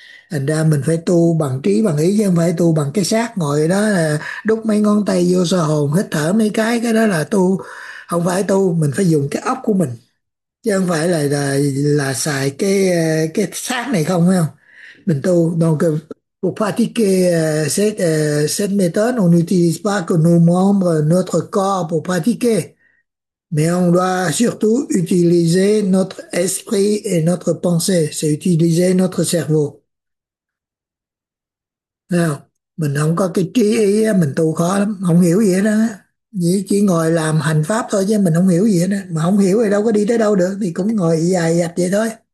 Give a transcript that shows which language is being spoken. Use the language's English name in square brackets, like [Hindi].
[Vietnamese] Thành ra mình phải tu bằng trí bằng ý chứ không phải tu bằng cái xác ngồi đó là đút mấy ngón tay vô sơ hồn hít thở mấy cái đó là tu, không phải tu. Mình phải dùng cái óc của mình chứ không phải là xài cái xác này không, phải không? Mình tu [French] donc pour pratiquer cette méthode on n'utilise pas que nos membres, notre corps pour pratiquer. Mais on doit surtout utiliser notre esprit et notre pensée. C'est utiliser notre cerveau. [Vietnamese] Không? Mình không có cái trí ý, mình tu khó lắm. Không hiểu gì hết á. Chỉ ngồi làm hành pháp thôi chứ mình không hiểu gì hết á. Mà không hiểu thì đâu có đi tới đâu được. Thì cũng ngồi dài dạch vậy thôi.